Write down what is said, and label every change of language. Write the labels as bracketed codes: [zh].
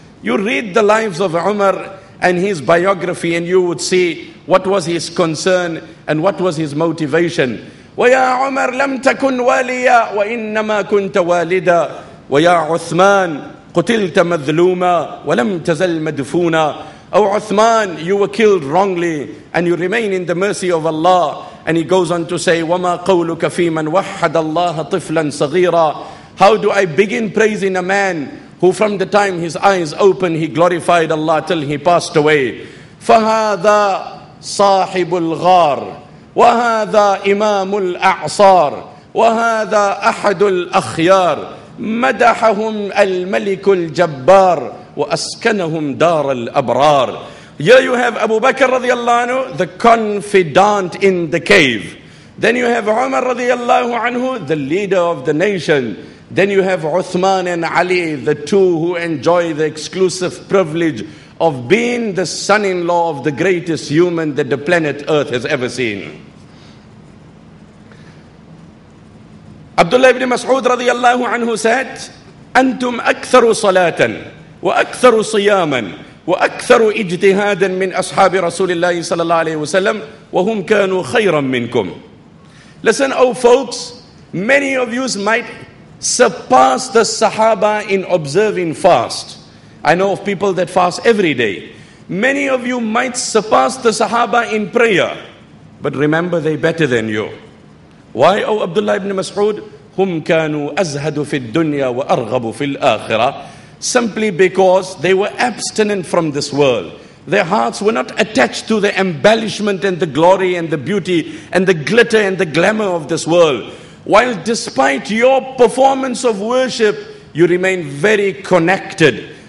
[en] You read the lives of Umar and his biography, and you would see what was his concern and what was his motivation. [ar] وَيَا عُمَرْ لَمْ تَكُنْ وَالِيَا وَإِنَّمَا كُنْتَ وَالِدًا وَيَا عُثْمَانْ قُتِلْتَ مَذْلُومًا وَلَمْ تَزَلْ مَدْفُونًا. [en] Oh Uthman, you were killed wrongly and you remain in the mercy of Allah. And he goes on to say, [ar] وَمَا قَوْلُكَ فِي مَنْ وَحَّدَ اللَّهَ طِفْلًا صَغِيرًا. [en] How do I begin praising a man who from the time his eyes opened, he glorified Allah till he passed away? [ar] فَهَذَا صَاحِبُ الْغَارِ وَهَذَا إِمَامُ الْأَعْصَارِ وَهَذَا أَحَدُ الْأَخْيَارِ مَدَحَهُمْ الْمَلِكُ الْجَبَّارِ وَأَسْكَنَهُمْ دَارَ الْأَبْرَارِ. [en] Here you have Abu Bakr radiallahu anhu, the confidant in the cave. Then you have Umar radiallahu anhu, the leader of the nation. Then you have Uthman and Ali, the two who enjoy the exclusive privilege of being the son-in-law of the greatest human that the planet Earth has ever seen. [ar] Abdullah ibn Mas'ud radiyallahu anhu [en] said, [ar] أنتم أكثر صلاة وأكثر صياما وأكثر اجتهادا من أصحاب رسول الله صلى الله عليه وسلم وهم كانوا خيرا منكم. [en] Listen, oh folks, many of you might surpass the Sahaba in observing fast. I know of people that fast every day. Many of you might surpass the Sahaba in prayer, but remember, they better than you. Why, O Abdullah ibn Mas'ud, [ar] هم كانوا أزهد في الدنيا وأرغب في الآخرة. [en] Simply because they were abstinent from this world. Their hearts were not attached to the embellishment and the glory and the beauty and the glitter and the glamour of this world. While despite your performance of worship, you remain very connected.